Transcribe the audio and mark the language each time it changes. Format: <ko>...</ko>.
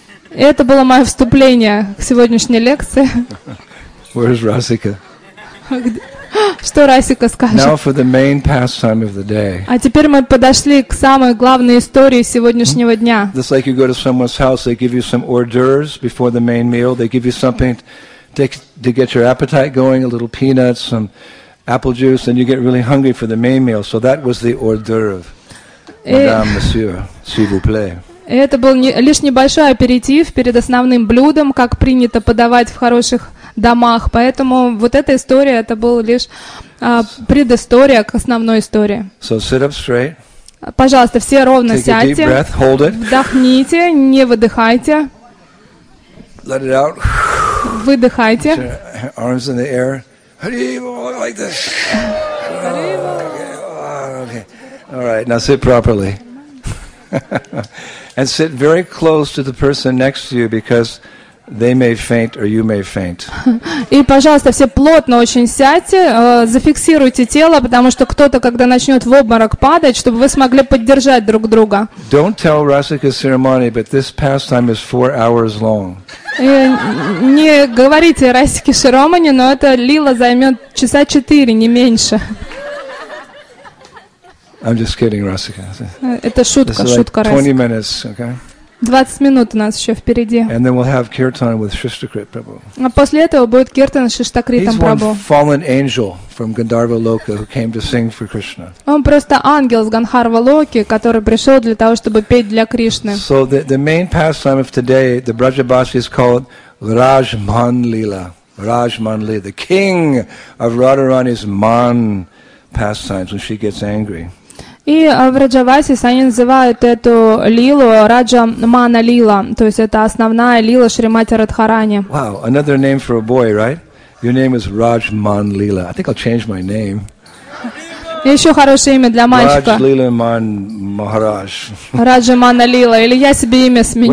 <ru>Это было мое вступление к сегодняшней лекции.</ru> <en>Where's Rasika?</en> <ru>Что Расика скажет?</ru> <en>Now for the main pastime of the day.</en> <ru>А теперь мы подошли к самой главной истории сегодняшнего дня.</ru> <en>It's like you go to someone's house, they give you some hors d'oeuvres before the main meal, they give you something to get your appetite going, a little peanuts, some apple juice, and you get really hungry for the main meal. So that was the hors d'oeuvre,</en> <fr>madame, monsieur, s'il vous plaît.</fr> <ru>Это был лишь небольшой аперитив перед основным блюдом, как принято подавать в хороших домах. Поэтому вот эта история, это была лишь предыстория к основной истории.</ru> <en>So sit up straight.</en> <ru>Пожалуйста, все ровно</ru> <en>Take</en> <ru>сядьте.</ru> <en>A deep breath, hold it.</en> <ru>Вдохните, не выдыхайте.</ru> <en>Let it out.</en> <ru>Выдыхайте.</ru> <en>Arms in the air. Like this. Oh, okay. Oh, okay. All right, now sit properly. And sit very close to the person next to you because they may faint or you may faint.</en> <ru>И, пожалуйста, все плотно очень сядьте, зафиксируйте тело, потому что кто-то, когда начнет в обморок падать, чтобы вы смогли поддержать друг друга.</ru> <en>Don't tell Rasika Sirimani, but this pastime is 4 hours long.</en> <ru>Не говорите Расике Широмани, но эта лила займет часа 4, не меньше.</ru> <en>I'm just kidding, Rasika.</en> <ru>Это шутка, шутка, Расика.</ru> <en>20 minutes, okay?</en> <ru>20 минут у нас еще впереди.</ru> <en>And then we'll have kirtan with Shishtakrit Prabhu.</en> <ru>А после этого будет киртан с Шиштакритом Прабху.</ru> <en>He's one fallen angel from Gandharva Loka who came to sing for Krishna.</en> <ru>Он просто ангел с Гандхарва Локи, который пришел для того, чтобы петь для Кришны.</ru> <en>So the main pastime of today, the Brajabasi is called Rajmanlila. Rajmanlila, the king of Radharani's man pastimes when she gets angry.</en> <ru>И в Раджавасис они называют эту лилу Раджа Мана Лила, то есть это основная лила Шримати Радхарани.</ru> <en>Wow, another name for a boy, right? Your name is Rajman Lila. I think I'll change my name.</en> <ru>Еще хорошее имя для мальчика.</ru> <en>Raj Lila Man Maharaj.</en> <ru>Раджа Мана Лила, или я себе имя сменю.</ru>